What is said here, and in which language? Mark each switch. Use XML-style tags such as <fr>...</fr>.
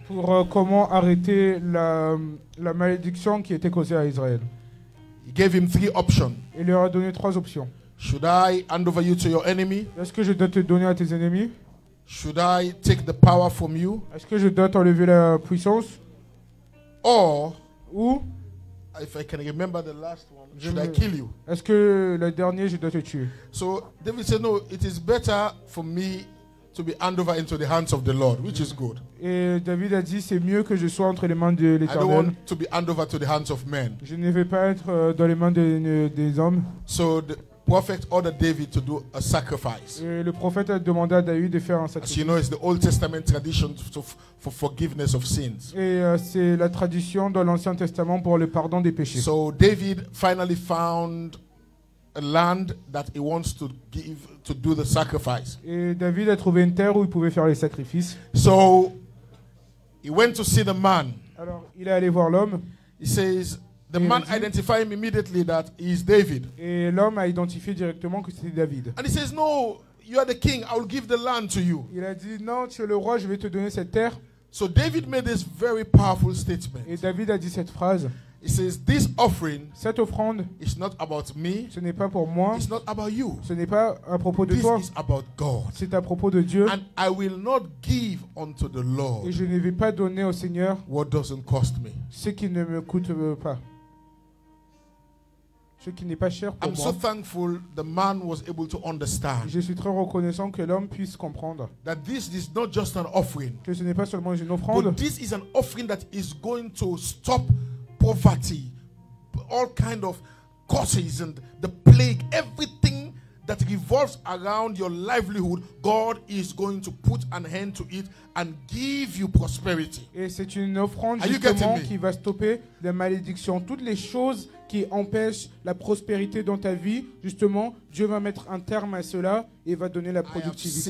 <fr>Pour comment arrêter la malédiction qui était causée à Israël.</fr> <en>He gave him three options.</en> <fr>Il leur a donné trois options.</fr> <en>Should I hand over you to your enemy?</en> <fr>Est-ce que je dois te donner à tes ennemis?</fr> <en>Should I take the power from you?</en> <fr>Est-ce que je dois t'enlever la puissance?</fr> <en>Or, if I can remember the last one, should I kill you?</en> <fr>Est-ce que le dernier, je dois te tuer?</fr> <en>So David said, no, it is better for me to be handed over into the hands of the Lord, which is good.</en> <fr>Et David a dit, c'est mieux que je sois entre les mains de l'Éternel.</fr> <en>I don't want to be handed over to the hands of men.</en> <fr>Je ne vais pas être dans les mains des hommes.</fr> <en>So the prophet ordered David to do a sacrifice.</en> <fr>Le prophète a demandé à David de faire un sacrifice.</fr> <en>As you know, it's the Old Testament tradition for forgiveness of sins.</en> <fr>Et c'est la tradition dans l'Ancien Testament pour le pardon des péchés.</fr> <en>So David finally found a land that he wants to give to do the sacrifice.</en> <fr>Et David a trouvé une terre où il pouvait faire les sacrifices.</fr> <en>So he went to see the man.</en> <fr>Alors il est allé voir l'homme.</fr> <en>He says, the man identified him immediately that he is David.</en> <fr>Et l'homme a identifié directement que c'était David.</fr> <en>And he says, no, you are the king, I will give the land to you.</en> <fr>Il a dit, non, tu es le roi, je vais te donner cette terre.</fr> <en>So David made this very powerful statement.</en> <fr>Et David a dit cette phrase.</fr> <en>He says, this offering,</en> <fr>cette offrande,</fr> <en>is not about me.</en> <fr>Ce n'est pas pour moi.</fr> <en>It's not about you.</en> <fr>Ce n'est pas à propos de</fr> <en>this</en> <fr>toi.</fr> <en>This is about God.</en> <fr>C'est à propos de Dieu.</fr> <en>And I will not give unto the Lord.</en> <fr>Et je ne vais pas donner au Seigneur</fr> <en>what doesn't cost me.</en> <fr>Ce qui ne me coûte pas. Qui n'est pas cher pour</fr> <en>I'm so thankful the man was able to understand.</en> <fr>Je suis très reconnaissant que l'homme puisse comprendre.</fr> <en>That this is not just an offering.</en> <fr>Que ce n'est pas seulement une offrande.</fr> <en>But this is an offering that is going to stop poverty, all kind of curses and the plague, everything that revolves around your livelihood, God is going to put an end to it and give you prosperity.</en> <fr>Et c'est une offrande justement qui va stopper les malédictions, toutes les choses qui empêchent la prospérité dans ta vie. Justement, Dieu va mettre un terme à cela et va donner la productivité.</fr>